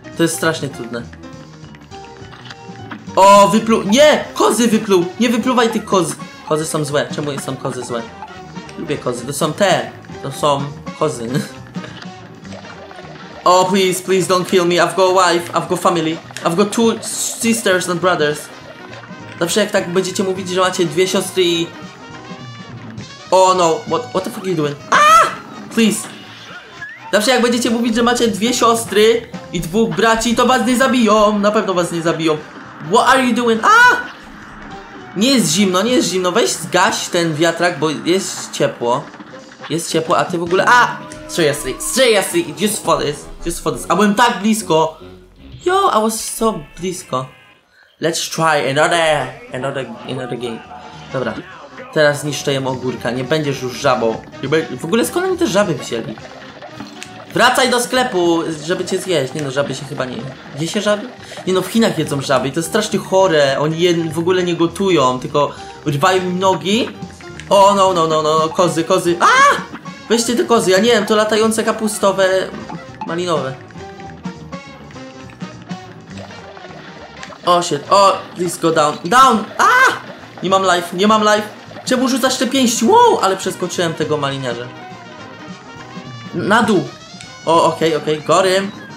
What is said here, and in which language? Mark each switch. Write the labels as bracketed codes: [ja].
[pl] To jest strasznie trudne. O, wypluł... Nie! Kozy wypluł! Nie wypluwaj tych kozy. Kozy są złe. Czemu są kozy złe? Lubię kozy, to są te. To są kozy. [en] Oh, please, please don't kill me. I've got a wife, I've got family. I've got two sisters and brothers. [pl] Zawsze jak tak będziecie mówić, że macie dwie siostry i... [en] Oh no, what the fuck are you doing? Ah! Please. [pl] Zawsze jak będziecie mówić, że macie dwie siostry i dwóch braci, to was nie zabiją. Na pewno was nie zabiją. [en] What are you doing? Ah! [pl] Nie jest zimno, nie jest zimno. Weź zgaś ten wiatrak, bo jest ciepło. Jest ciepło, a ty w ogóle... Ah! [en] Seriously, just for this. I went [pl] tak blisko. [en] Yo, I was so [pl] blisko. [en] Let's try another game. [pl] Dobra. Teraz niszczę jem ogórka, nie będziesz już żabą. W ogóle skąd oni te żaby wzięli? Wracaj do sklepu, żeby cię zjeść. Nie no, żaby się chyba nie je. Je się żaby? Nie no, w Chinach jedzą żaby i to jest strasznie chore. Oni je w ogóle nie gotują, tylko urwają im nogi. O, no, kozy. A! Weźcie te kozy, ja nie wiem, to latające kapustowe malinowe. [en] O, shit, o, please go down, down! [pl] A! Nie mam life. Czemu rzucasz te pięści? Wow, ale przeskoczyłem tego maliniarza. Na dół. [en] O, okej, got him.